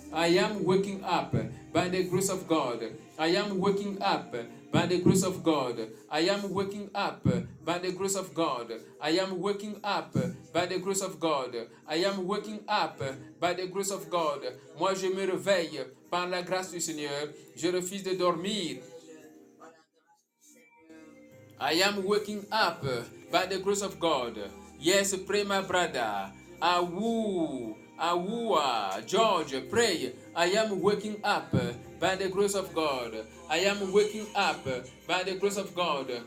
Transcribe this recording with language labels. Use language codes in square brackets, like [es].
[en] I am waking up by the grace of God. I am waking up by the grace of God. I am waking up by the grace of God. I am waking up by the grace of God. I am waking up by the grace of God. [fr] Moi, je me réveille par la grâce du Seigneur. Je refuse de dormir. [en] I am waking up by the grace of God. Yes, pray, my brother. Awua, George, pray. I am waking up by the grace of God. I am waking up by the grace of God.